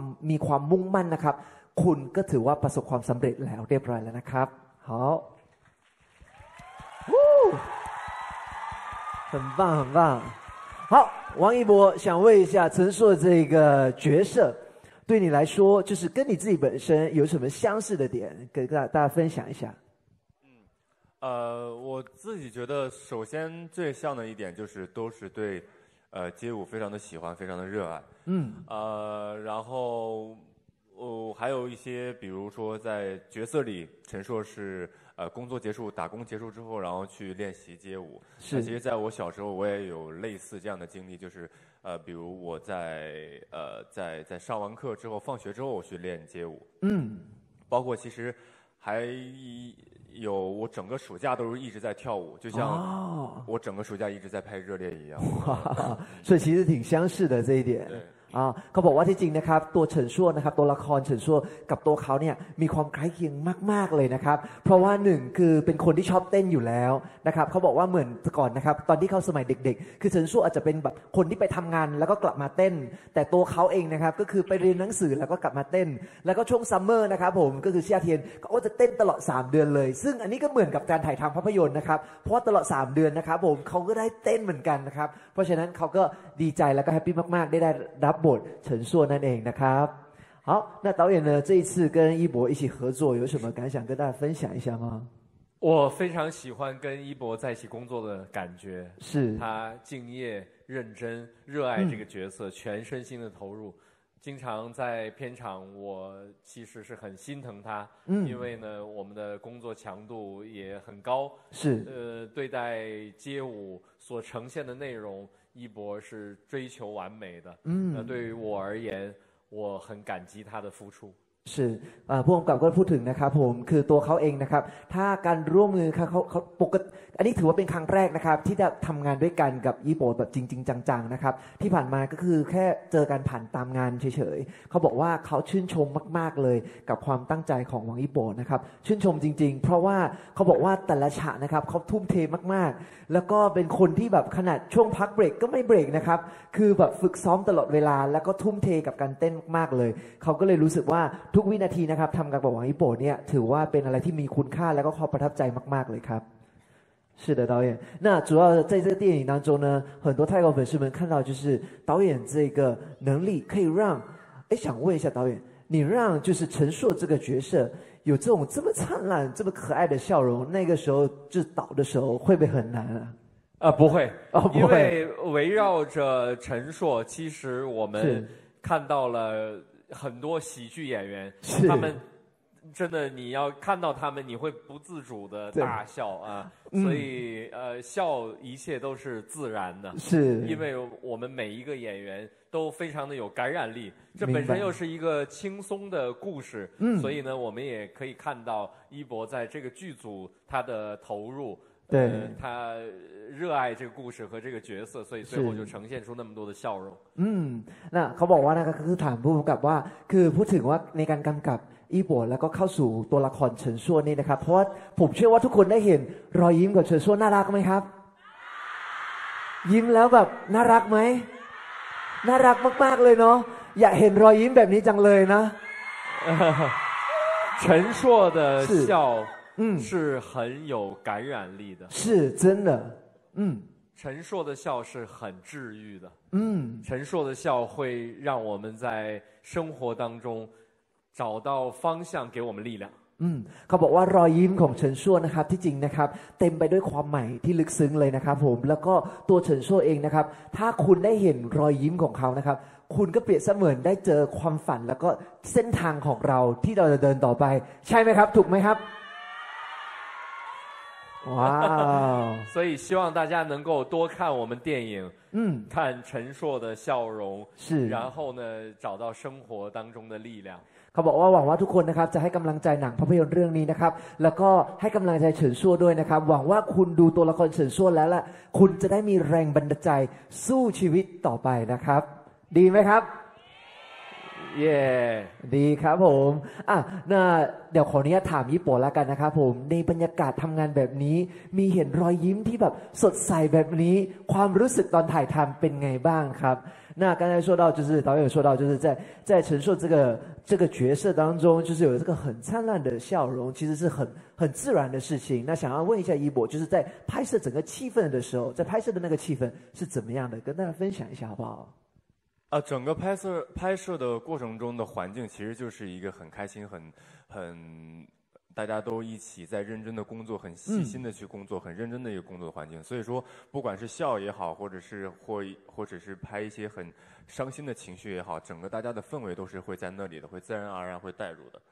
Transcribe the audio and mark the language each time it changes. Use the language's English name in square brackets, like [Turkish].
[Thai] มีความมุ่งมั่นนะครับคุณก็ถือว่าประสบความสำเร็จแล้วเรียบร้อยแล้วนะครับฮัลโหล [Chinese] 很棒很棒好王一博想问一下陈硕这个角色对你来说就是跟你自己本身有什么相似的点跟大家分享一下我自己觉得首先最像的一点就是都是对街舞非常的喜欢非常的热爱然后还有一些比如说在角色里陈硕是工作结束打工结束之后然后去练习街舞是其实在我小时候我也有类似这样的经历就是比如我在上完课之后放学之后我去练街舞包括其实还有我整个暑假都是一直在跳舞就像我整个暑假一直在拍热烈一样所以其实挺相似的这一点对 [Thai] เขาบอกว่าที่จริงนะครับตัวเฉินซัวนะครับตัวละครเฉินซัวกับตัวเขาเนี่ยมีความคล้ายเคียงมากๆเลยนะครับเพราะว่าหนึ่งคือเป็นคนที่ชอบเต้นอยู่แล้วนะครับเขาบอกว่าเหมือนก่อนนะครับตอนที่เขาสมัยเด็กๆคือเฉินซัวอาจจะเป็นแบบคนที่ไปทำงานแล้วก็กลับมาเต้น แต่ตัวเขาเองนะครับก็คือไปเรียนหนังสือแล้วก็กลับมาเต้นแล้วก็ช่วงซัมเมอร์นะครับผมก็คือเชียเทียนเขาจะเต้นตลอด3เดือนเลยซึ่งอันนี้ก็เหมือนกับการถ่ายทำภาพยนตร์นะครับเพราะตลอด3เดือนนะครับผมเขาก็ได้เต้นเหมือนกันนะครับเพราะฉะนั้นเขาก็ดีใจแล้วก็แฮปปี้มากๆได้รับบทเฉินซัวนั่นเองนะครับ [Chinese] 好那导演呢这一次跟一博一起合作有什么感想跟大家分享一下吗我非常喜欢跟一博在一起工作的感觉是他敬业认真热爱这个角色全身心的投入经常在片场我其实是很心疼他因为呢我们的工作强度也很高是对待街舞所呈现的内容一博是追求完美的那对于我而言我很感激他的付出 [Thai] 是ผู้กำกับก็พูดถึงนะครับผมคือตัวเขาเองนะครับถ้าการร่วมมือเขาปกติอันนี้ถือว่าเป็นครั้งแรกนะครับที่จะทำงานด้วยกันกับญี่ปุ่นแบบจริงๆจังๆนะครับที่ผ่านมาก็คือแค่เจอกันผ่านตามงานเฉย ๆเขาบอกว่าเขาชื่นชมมากๆเลยกับความตั้งใจของวังญี่ปุ่นนะครับชื่นชมจริงๆเพราะว่าเขาบอกว่าแต่ละฉากนะครับเขาทุ่มเท มากๆแล้วก็เป็นคนที่แบบขนาดช่วงพักเบรกก็ไม่เบรกนะครับคือแบบฝึกซ้อมตลอดเวลาแล้วก็ทุ่มเทกับการเต้นมากๆเลยเขาก็เลยรู้สึกว่าทุกวินาทีนะครับทำกับวังญี่ปุ่นเนี่ยถือว่าเป็นอะไรที่มีคุณค่าแล้วก็ความประทับใจมากๆเลยครับ [Chinese] 是的导演那主要在这个电影当中呢很多泰国粉丝们看到就是导演这个能力可以让哎，想问一下导演你让就是陈硕这个角色有这种这么灿烂这么可爱的笑容那个时候就导的时候会不会很难啊不会哦，不会因为围绕着陈硕其实我们看到了很多喜剧演员是他们真的你要看到他们你会不自主的大笑啊所以笑一切都是自然的是因为我们每一个演员都非常的有感染力这本身又是一个轻松的故事所以呢我们也可以看到一博在这个剧组他的投入对，他热爱这个故事和这个角色，所以最后就呈现出那么多的笑容。 [Thai] 嗯，那เขาบอกว่านะก็คือถามผู้กำกับว่าคือพูดถึงว่าในการกำกับอีบอดแล้วก็เข้าสู่ตัวละครเฉินซัวนี่นะครับเพราะว่าผมเชื่อว่าทุกคนได้เห็นรอยยิ้มกับเฉินซัวน่ารักไหมครับยิ้มแล้วแบบน่ารักไหมน่ารักมากๆเลยเนาะอยากเห็นรอยยิ้มแบบนี้จังเลยนะ [Chinese] เฉินซัว的笑是很有感染力的是真的陈硕的笑是很治愈的嗯陈硕的笑会让我们在生活当中找到方向给我们力量 [Thai] 嗯เขาบอกว่ารอยยิ้มของเฉินซัวนะครับที่จริงนะครับเต็มไปด้วยความหมายที่ลึกซึ้งเลยนะครับผมแล้วก็ตัวเฉินซัวเองนะครับถ้าคุณได้เห็นรอยยิ้มของเขานะครับคุณก็เปรียบเสมือนได้เจอความฝันแล้วก็เส้นทางของเราที่เราจะเดินต่อไปใช่ไหมครับถูกไหมครับWow. [Chinese] 所以希望大家能够多看我们电影看陈硕的笑容是然后呢找到生活当中的力量 [Thai] เขาบอกว่าหวังว่าทุกคนนะครับจะให้กำลังใจหนังภาพยนตร์เรื่องนี้นะครับแล้วก็ให้กำลังใจเฉินซัวด้วยนะครับหวังว่าคุณดูตัวละครเฉินซัวแล้วล่ะคุณจะได้มีแรงบันดาลใจสู้ชีวิตต่อไปนะครับดีไหมครับ เย่ ดีครับผมอ่ะน่าเดี๋ยวขออนุญาตถามญี่ปุ่นแล้วกันนะครับผมในบรรยากาศทำงานแบบนี้มีเห็นรอยยิ้มที่แบบสดใสแบบนี้ความรู้สึกตอนถ่ายทำเป็นไงบ้างครับน่า [Chinese] 刚才说到就是导演说到就是在陈硕这个角色当中就是有这个很灿烂的笑容其实是很自然的事情那想要问一下一博就是在拍摄整个气氛的时候在拍摄的那个气氛是怎么样的跟大家分享一下好不好整个拍摄的过程中的环境其实就是一个很开心很大家都一起在认真的工作很细心的去工作很认真的一个工作的环境所以说不管是笑也好或者是拍一些很伤心的情绪也好整个大家的氛围都是会在那里的会自然而然会带入的